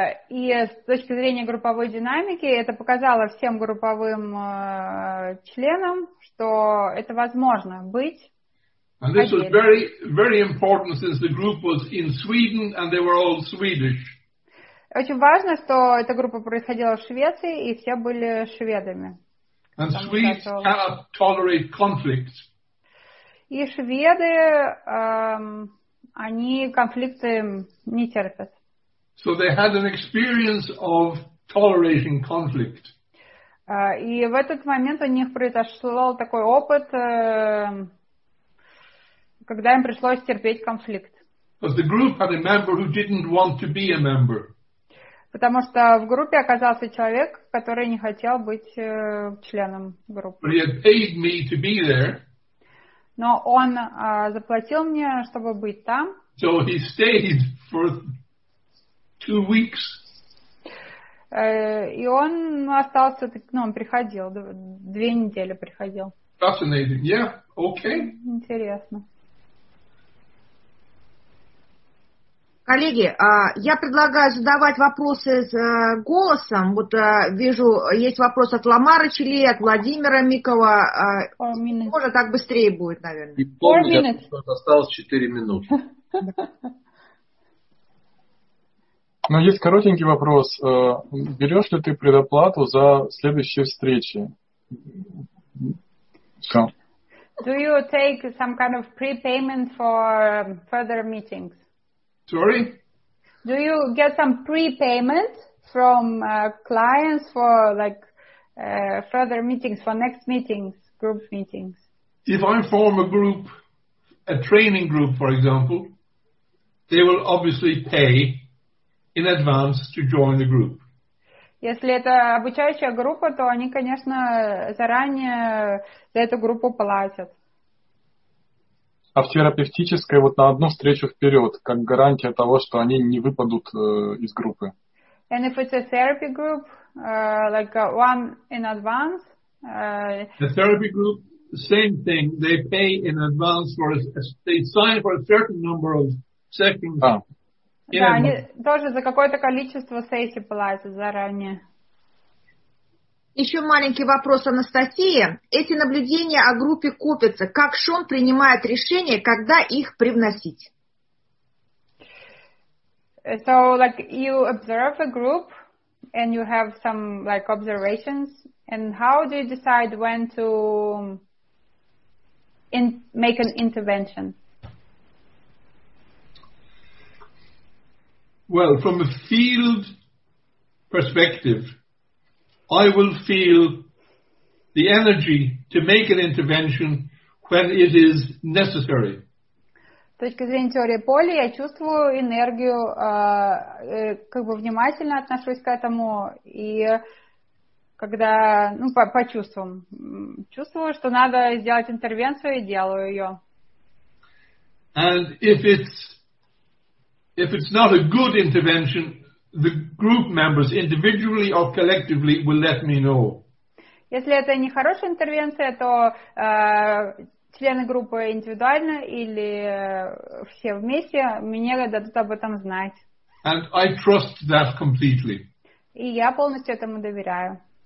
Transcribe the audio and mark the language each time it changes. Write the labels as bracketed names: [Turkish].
[Russian] И с точки зрения групповой динамики это показало всем групповым членам, что это возможно быть. [English] And this was very, very important since the group was in Sweden and they were all Swedish. [Russian] Очень важно, что эта группа происходила в Швеции и все были шведами. [English] And Swedes cannot tolerate conflict. [Russian] И шведы, они конфликты не терпят. [English] So they had an experience of tolerating conflict. [Russian] И в этот момент у них произошел такой опыт, когда им пришлось терпеть конфликт. [English] But the group had a member who didn't want to be a member. [Russian] Потому что в группе оказался человек, который не хотел быть членом группы. [English] But he had paid me to be there. [Russian] Но он заплатил мне, чтобы быть там. [English] So he stayed for 2 weeks. [Russian] И он остался, ну, он приходил, 2 недели приходил. [English] Fascinating, yeah, okay. [Russian] Интересно. Коллеги, я предлагаю задавать вопросы с голосом. Вот вижу, есть вопрос от Ламары Чили, от Владимира Микова. Может, так быстрее будет, наверное. И помню, что осталось 4 минуты. Но есть коротенький вопрос. Берешь ли ты предоплату за следующие встречи? [English] Do you take some kind of prepayment for further meetings? Sorry? Do you get some prepayment from clients for like further meetings, for next meetings, group meetings? If I form a group, a training group, for example, they will obviously pay in advance to join the group. [Russian] Если это обучающая группа, то они, конечно, заранее за эту группу платят. А в терапевтической вот на одну встречу вперед, как гарантия того, что они не выпадут из группы. [English] And if it's a therapy group, like one in advance. The therapy group, same thing. They pay in advance for they sign for a certain number of sessions. [Russian] Да, они тоже за какое-то количество сессий платят заранее. Еще маленький вопрос Анастасии. Эти наблюдения о группе копятся. Как Шон принимает решение, когда их привносить? [English] So, like, you observe a group and you have some, like, observations. And how do you decide when to make an intervention? Well, from a field perspective, I will feel the energy to make an intervention when it is necessary. [Russian] С точки зрения теории поля, я чувствую энергию, как бы внимательно отношусь к этому, и когда, ну, по чувствам, чувствую, что надо сделать интервенцию, и делаю ее. [English] And if it's not a good intervention, the group members individually or collectively will let me know. [Russian] Если это не хорошая интервенция, то члены группы индивидуально или все вместе мне дадут об этом знать. [English] And I trust that completely. [Russian] И я полностью этому доверяю.